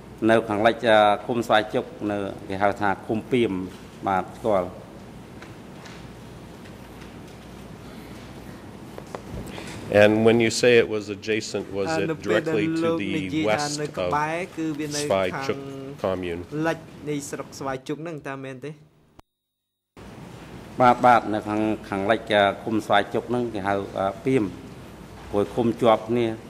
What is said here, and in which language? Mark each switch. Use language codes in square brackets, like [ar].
[km] នៅខាងលិចឃុំស្វាយជុកនៅគេហៅថាឃុំពីមបាទស្គាល់ [en] And when you say it was adjacent was it directly to the west of ស្វាយជុក commune [km] លិចនៃស្រុកស្វាយជុកហ្នឹងតើមែនទេ បាទបាទនៅខាងលិចឃុំស្វាយជុកហ្នឹងគេហៅពីមព្រោះឃុំជាប់គ្នា